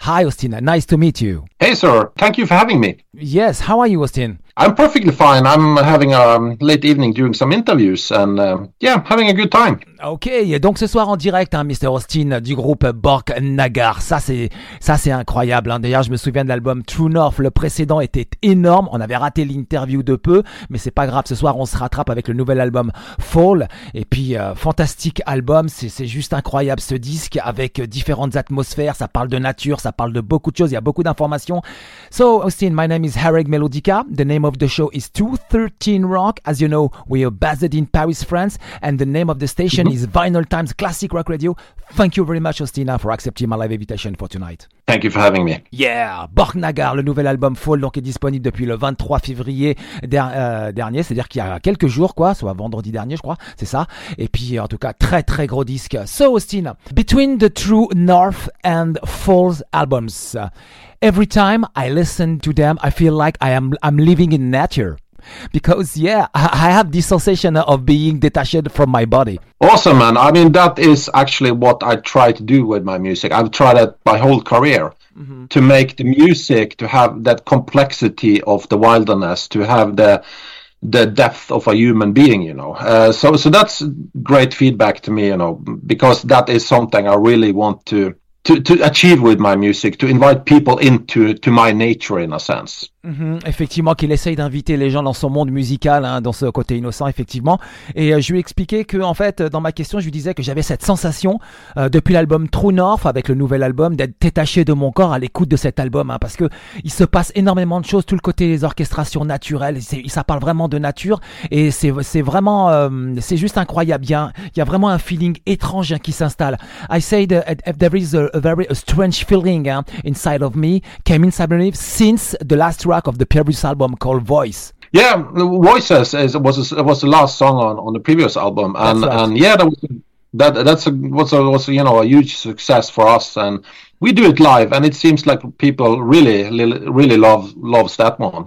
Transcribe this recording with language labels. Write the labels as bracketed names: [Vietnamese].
[English] Hi Austin, nice to meet you. Hey sir, thank you for having me. Yes, how are you Austin? I'm perfectly fine. I'm having a late evening doing some interviews and having a good time. [French] Ok, donc ce soir en direct, hein, Mr. Austin du groupe Bork Nagar, ça c'est incroyable. Hein. D'ailleurs, je me souviens de l'album True North, le précédent était énorme. On avait raté l'interview de peu, mais c'est pas grave. Ce soir, on se rattrape avec le nouvel album Fall. Et puis, fantastique album, c'est juste incroyable ce disque avec différentes atmosphères. Ça parle de nature, ça parle de beaucoup de choses, il y a beaucoup d'informations. [English] So Austin, my name is Herreg Melodica. The name of the show is 213 Rock. As you know, we are based in Paris, France, and the name of the station is Vinyl Times Classic Rock Radio. Thank you very much, Austin, for accepting my live invitation for tonight. Thank you for having me. [French] Yeah, Bork Nagar, le nouvel album Fall, donc est disponible depuis le 23 février dernier, c'est-à-dire qu'il y a quelques jours, quoi, soit vendredi dernier, je crois, c'est ça. Et puis, en tout cas, très très gros disque. [English] So, Austin, between the True North and Falls albums, every time I listen to them, I feel like I'm living in nature. Because, yeah, I have this sensation of being detached from my body. Awesome, man. I mean, that is actually what I try to do with my music. I've tried it my whole career to make the music, to have that complexity of the wilderness, to have the depth of a human being, you know. So that's great feedback to me, you know, because that is something I really want to achieve with my music, to invite people into my nature in a sense. [French] Effectivement, qu'il essaye d'inviter les gens dans son monde musical, hein, dans ce côté innocent, effectivement. Et je lui ai expliqué que, en fait, dans ma question, je lui disais que j'avais cette sensation, depuis l'album True North, avec le nouvel album, d'être détaché de mon corps à l'écoute de cet album, hein, parce que il se passe énormément de choses, tout le côté des orchestrations naturelles, ça parle vraiment de nature, et c'est juste incroyable. Il y a vraiment un feeling étrange, hein, qui s'installe. [English] I said that there is a very strange feeling, hein, inside of me, came in, I believe, since the last track of the previous album called Voice. Yeah, Voices was the last song on the previous album, and right. And yeah, that was a huge success for us, and we do it live, and it seems like people really loves that one.